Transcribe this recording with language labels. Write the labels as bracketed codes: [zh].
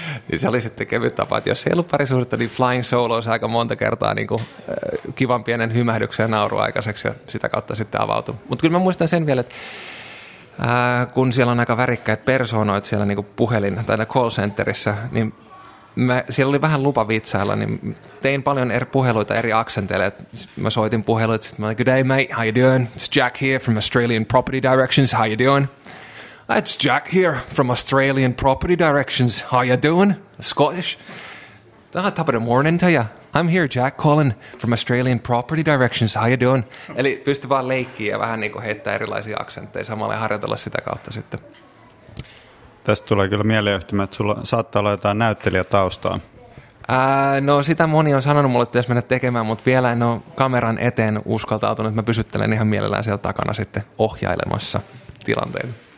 [fi] Niin se oli sitten kevyt tapa, että jos ei ollut parisuhdetta, niin [en] flying solo [fi] olisi aika monta kertaa niin kuin kivan pienen hymähdyksen ja nauru aikaiseksi ja sitä kautta sitten avautui. Mutta kyllä mä muistan sen vielä, että kun siellä on aika värikkäitä persoonoita siellä niin kuin puhelin tai call centerissä, niin siellä oli vähän lupa vitsailla, niin tein paljon eri puheluita eri aksenteille. Mä soitin puheluita, sitten mä olin, [en] good day mate, how you doing? It's Jack here from Australian Property Directions, how you doing? It's Jack here from Australian Property Directions. How you doing? Scottish? Ah, top of the morning to you. I'm here, Jack, calling from Australian Property Directions. How you doing? [fi] Eli pystyi vaan leikkiä ja vähän niin kuin heittää erilaisia aksentteja samalla ja harjoitella sitä kautta sitten. Tästä tulee kyllä mieleyhtymä, että sulla saattaa olla jotain näyttelijätaustaa. No sitä moni on sanonut mulle, että pitäisi mennä tekemään, mutta vielä en ole kameran eteen uskaltautunut, että mä pysyttelen ihan mielellään siellä takana sitten ohjailemassa tilanteita.